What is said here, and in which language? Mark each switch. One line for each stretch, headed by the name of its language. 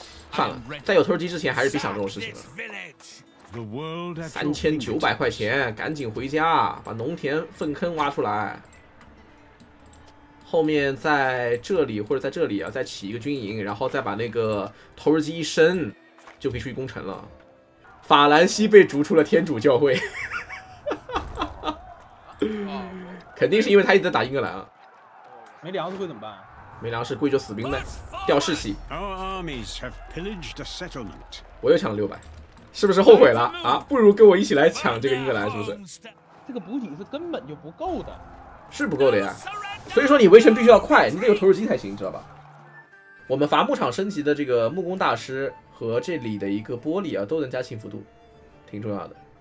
Chinese: 算了，在有投石机之前还是别想这种事情了。3900块钱，赶紧回家把农田粪坑挖出来，后面在这里或者在这里啊，再起一个军营，然后再把那个投石机一升就可以出去攻城了。法兰西被逐出了天主教会。肯定是因为他一直在打英格兰啊。没粮食会怎么办？没粮食，贵州死兵呗，掉士气。
English: Our armies have pillaged a settlement.
Chinese: 我又抢了600，是不是后悔了啊？不如跟我一起来抢这个英格兰，是不是？这个补给是根本就不够的，是不够的呀。所以说你围城必须要快，你得有投石机才行，知道吧？我们伐木场升级的这个木工大师和这里的一个玻璃啊，都能加幸福度，挺重要的。